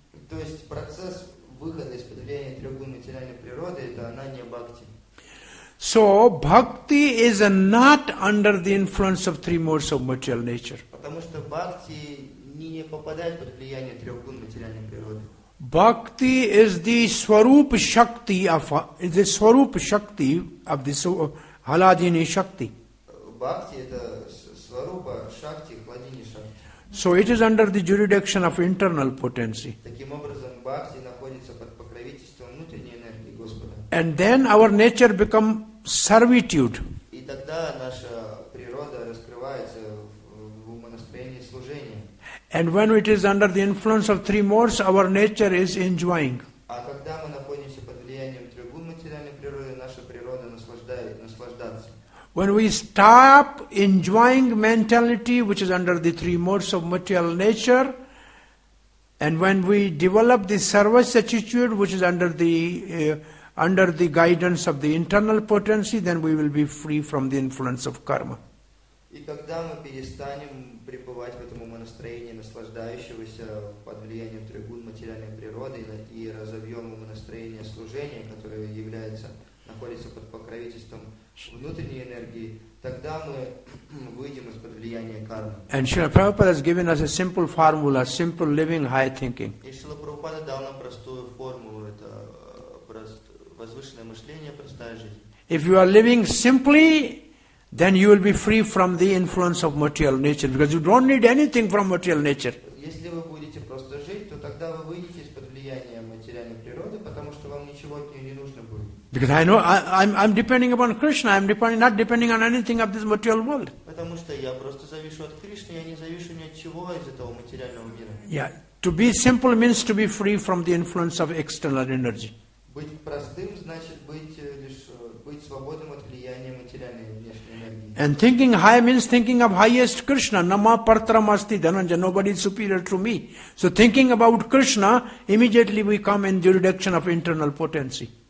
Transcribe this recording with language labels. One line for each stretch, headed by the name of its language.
Russian: То есть процесс выхода из-под влияния трех гун материальной природы это Ананья Бхакти.
English: So, bhakti is not under the influence of three modes of material nature.
Russian: Потому что бхакти не попадает под влияние трех гун материальной природы.
English: Bhakti is the swarup shakti of this haladini shakti.
Russian: Bhakti это swarupa shakti, haladini shakti.
English: So it is under the jurisdiction of internal potency.
Russian: Таким образом, бхакти находится под покровительством внутренней энергии Господа.
English: And then our nature become servitude.
Russian: И тогда наша природа раскрывается в умонастроении служения.
English: And when it is under the influence of three modes, our nature is enjoying.
Russian: А когда мы находимся под влиянием трех гун материальной природы, наша природа наслаждается.
English: When we stop enjoying mentality, which is under the three modes of material nature, and when we develop the service attitude, which is under the guidance of the internal potency, then we will be free from the influence of karma.
Russian: И когда мы перестанем пребывать в этом умонастроении наслаждающегося под влиянием трех гун материальной природы и разовьем умонастроение служения, которое находится под покровительством внутренней энергии, тогда мы выйдем из-под влияния кармы.
English: And Srila Prabhupada has given us a simple formula, simple living, high thinking.
Russian: И Шрила Прабхупада дал нам простую формулу, это возвышенное мышление, простая жизнь.
English: If you are living simply, then you will be free from the influence of material nature because you don't need anything from material nature.
Russian: Если вы будете просто жить, то тогда вы выйдете из-под влияния материальной природы, потому что вам ничего от нее не нужно будет.
English: Because I know I'm depending upon Krishna. I'm depending not depending on anything of this material world.
Russian: Потому что я просто завишу от Кришны, я не завишу ни от чего из этого материального мира.
English: Yeah, to be simple means to be free from the influence of external energy.
Russian: Быть простым значит быть свободным от влияния материальной внешней энергии.
English: And thinking high means thinking of highest Krishna.
Sanskrit: Nama partram asti dhananja.
English: Nobody is superior to me. So thinking about Krishna, immediately we come in the direction of internal potency.